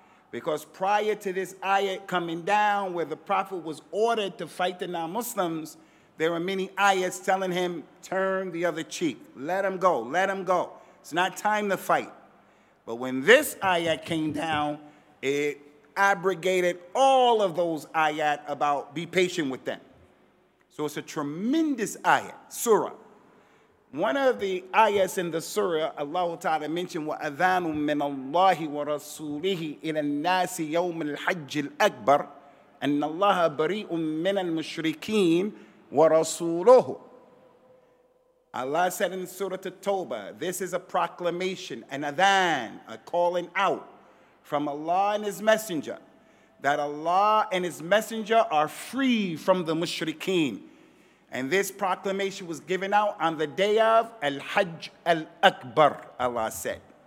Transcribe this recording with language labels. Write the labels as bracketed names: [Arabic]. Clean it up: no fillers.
[English] Because prior to this ayat coming down, where the Prophet was ordered to fight the non-Muslims, there were many ayats telling him, turn the other cheek. Let him go. Let him go. It's not time to fight. But when this ayat came down, it abrogated all of those ayat about be patient with them. So it's a tremendous ayat, surah. One of the ayahs in the surah, Allah Ta'ala mentioned, [Arabic] وَأَذَانٌ مِّنَ اللَّهِ وَرَسُولِهِ إِلَى النَّاسِ يَوْمِ الْحَجِّ الْأَكْبَرِ أَنَّ اللَّهَ بَرِيءٌ مِّنَ الْمُشْرِكِينَ وَرَسُولُهُ. [English] Allah said in Surah At-Tawbah, this is a proclamation, an adhan, a calling out from Allah and His Messenger, that Allah and His Messenger are free from the mushrikeen. And this proclamation was given out on the day of Al-Hajj Al-Akbar, Allah said.